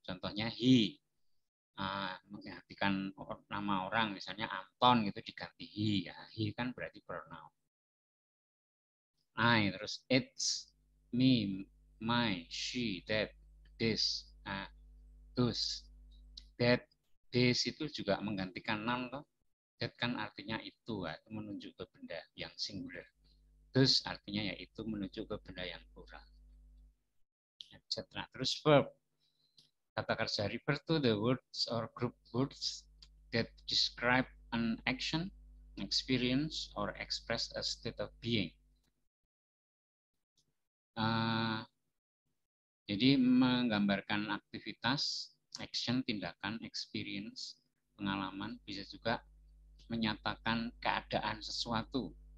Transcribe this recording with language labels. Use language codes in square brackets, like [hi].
[id] Contohnya he menggantikan nama orang, misalnya Anton itu diganti he. Ya. He kan berarti pronoun. [en] I, terus it's, me, my, she, that, this, those. [id] That, this itu juga menggantikan noun. That kan artinya itu, itu menunjuk ke benda yang singular. Terus artinya yaitu menunjuk ke benda yang plural. Terus verb. Kata kerja [en] refer to the words or group words that describe an action, experience, or express a state of being. [id] Jadi menggambarkan aktivitas, action, tindakan, experience, pengalaman, bisa juga menyatakan keadaan sesuatu.